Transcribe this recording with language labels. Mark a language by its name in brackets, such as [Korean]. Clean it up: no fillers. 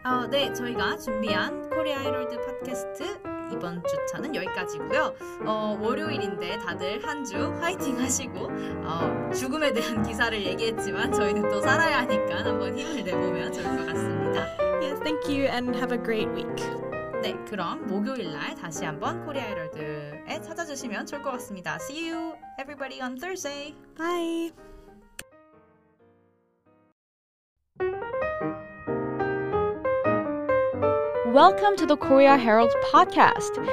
[Korean] 네, 저희가 준비한 코리아 헤럴드 팟캐스트 이번 주차는 여기까지고요. 월요일인데 다들 한 주 화이팅 하시고 죽음에 대한 기사를 얘기했지만 저희는 또 살아야 하니까 한번 힘을 내보면 좋을 것 같습니다. [English] Yes, thank you and have a great week. [Korean] 네, 그럼 목요일날 다시 한번 코리아 헤럴드에 찾아주시면 좋을 것 같습니다. [English] See you everybody on Thursday. Bye. Welcome to the Korea Herald podcast.